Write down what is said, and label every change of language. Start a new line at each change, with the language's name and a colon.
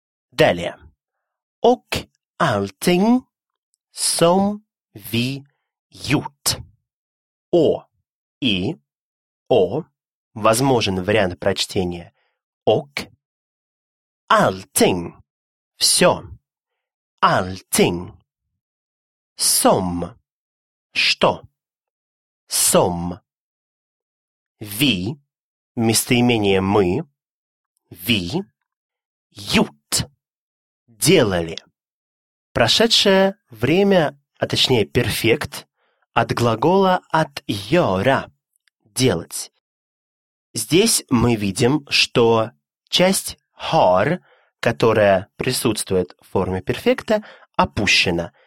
Russian: Далее.
Swedish: «Och allting som vi gjort».
Russian: «О» – «и», «о» – возможен вариант прочтения «ок». «Allting» – «все». «Allting» – «som» – «что». «Som» – «vi» – местоимение «мы». «Vi» – «gjort» – «делали». Прошедшее время, а точнее перфект, от глагола «att göra» – «делать». Здесь мы видим, что часть «har», которая присутствует в форме перфекта, опущена.